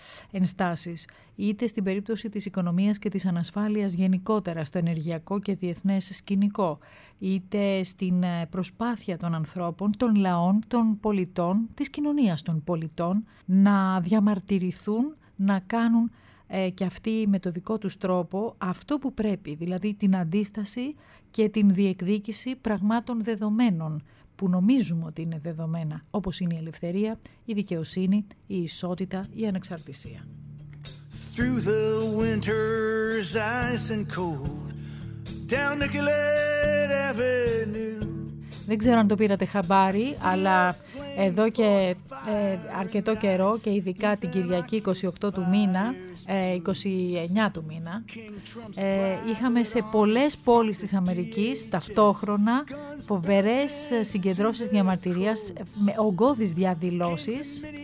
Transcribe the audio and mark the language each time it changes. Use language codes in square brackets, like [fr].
[el] ενστάσεις, είτε στην περίπτωση της οικονομίας και της ανασφάλειας γενικότερα στο ενεργειακό και διεθνές σκηνικό, είτε στην προσπάθεια των ανθρώπων, των λαών, των πολιτών, της κοινωνίας των πολιτών, να διαμαρτυρηθούν, να κάνουν και αυτοί με το δικό τους τρόπο αυτό που πρέπει, δηλαδή την αντίσταση και την διεκδίκηση πραγμάτων δεδομένων που νομίζουμε ότι είναι δεδομένα, όπως είναι η ελευθερία, η δικαιοσύνη, η ισότητα, η ανεξαρτησία. [en] Through the winter's ice and cold, down Nicolet Avenue. [el] Δεν ξέρω αν το πήρατε χαμπάρι, αλλά εδώ και αρκετό καιρό και ειδικά την Κυριακή 28 του μήνα, 29 του μήνα, είχαμε σε πολλές πόλεις της Αμερικής ταυτόχρονα φοβερές συγκεντρώσεις διαμαρτυρίας με ογκώδεις διαδηλώσεις.